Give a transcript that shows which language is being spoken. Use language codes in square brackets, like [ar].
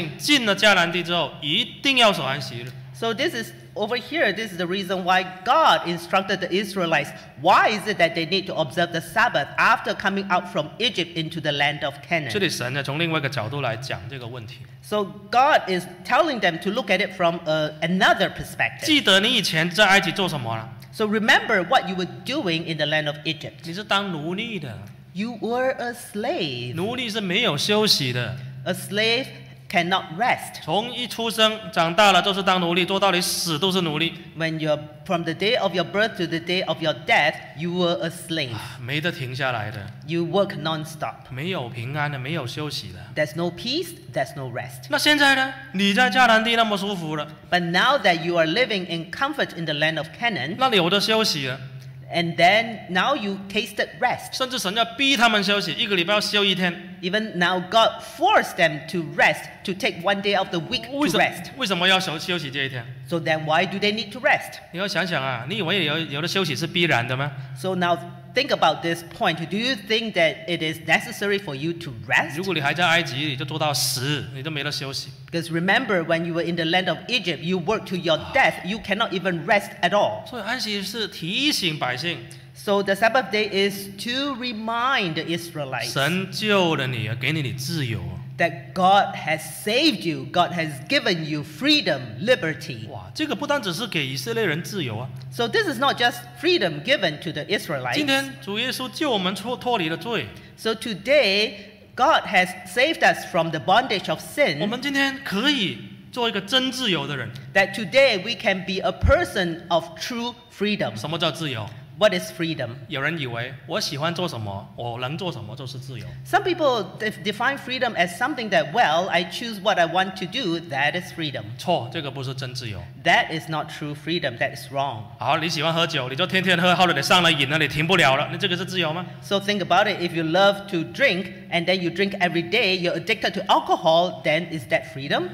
[zh] 这里为什么神吩咐百姓进了迦南地之后一定要守安息日? [en] So this is over here, this is the reason why God instructed the Israelites. Why is it that they need to observe the Sabbath after coming out from Egypt into the land of Canaan? So God is telling them to look at it from another perspective. So remember what you were doing in the land of Egypt. You were a slave. [zh] 奴隶是没有休息的。 [en] A slave cannot rest. [zh] 从一出生长大了就是当奴隶，做到你死都是奴隶。 [en] When you're from the day of your birth to the day of your death, you were a slave. [zh] 没得停下来的。 [en] You work non-stop. [zh] 没有平安的，没有休息的。 [en] There's no peace, there's no rest. [zh] 那现在呢？你在迦南地那么舒服了。 [en] But now that you are living in comfort in the land of Canaan, [zh] 那里有的休息了。 [en] And then now you tasted rest. [zh] 甚至神要逼他们休息，一个礼拜要休一天。 [en] Even now God forced them to rest, to take one day of the week to rest. [zh] 为什么要休息这一天? [en] So then why do they need to rest? [zh] 你要想想啊, 你以为有的休息是必然的吗? [en] So now think about this point. Do you think that it is necessary for you to rest? [zh] 如果你还在埃及, 你就做到死, 你都没得休息。 [en] Because remember, when you were in the land of Egypt, you worked to your death, you cannot even rest at all. [zh] 所以安息是提醒百姓, [en] so the Sabbath day is to remind the Israelites [zh] 神救了你, [en] that God has saved you, God has given you freedom, liberty. 哇, so this is not just freedom given to the Israelites. [zh] 今天主耶稣救我们脱离了罪, [en] so today, God has saved us from the bondage of sin. [zh] 我们今天可以做一个真自由的人, [en] that today we can be a person of true freedom. [zh] 什么叫自由? [en] What is freedom? [zh] 有人以为我喜欢做什么，我能做什么就是自由。 [en] Some people define freedom as something that, well, I choose what I want to do, that is freedom. [zh] 错，这个不是真自由。 [en] That is not true freedom, that is wrong. [zh] 好，你喜欢喝酒，你就天天喝，后来你上了瘾了，你停不了了，那这个是自由吗？ [en] So think about it, if you love to drink, and then you drink every day, you're addicted to alcohol, then is that freedom?